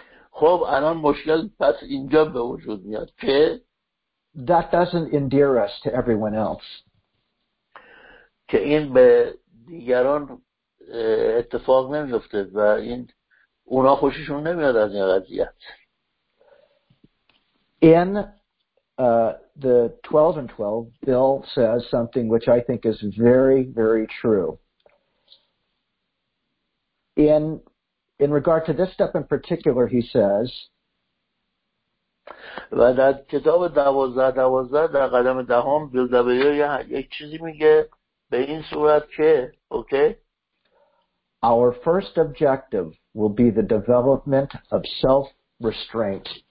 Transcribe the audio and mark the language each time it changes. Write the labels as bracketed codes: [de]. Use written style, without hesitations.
[fa] خب الان مشکل پس اینجا به وجود میاد که [en] that doesn't endear us to everyone else. [fa] که این به دیگران اتفاق نمیفته و این اونا خوششون نمیاد از این قضیه. [en] In the 12 and 12, Bill says something which I think is very, very true. In regard to this step in particular, he says, [fa] و در کتاب 12-12 در قدم دهم بیل دبلیو یک چیزی میگه به این صورت که اوکی؟ [en] Our first objective will be the development of self-restraint.